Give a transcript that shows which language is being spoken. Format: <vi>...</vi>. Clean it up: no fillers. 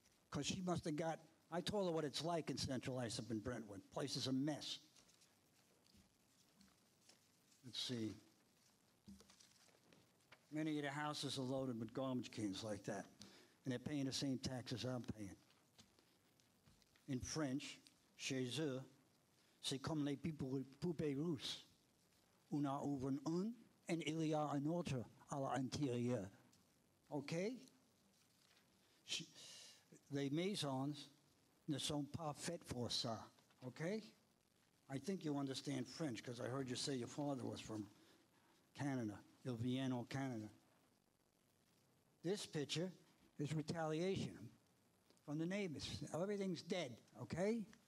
<en>Because she must have got, I told her what it's like in Central Islip and Brentwood. Place is a mess. Let's see. Many of the houses are loaded with garbage cans like that. And they're paying the same taxes I'm paying. In French,</en> <fr>chez eux, c'est comme les poupées russes. On a ouvert un, et il y a un autre à l'intérieur. Okay? Les maisons ne sont pas faites pour ça, okay?</fr> <en>I think you understand French, because I heard you say your father was from Canada, Il Vienne, Canada. This picture is retaliation from the neighbors. Everything's dead, okay?</en>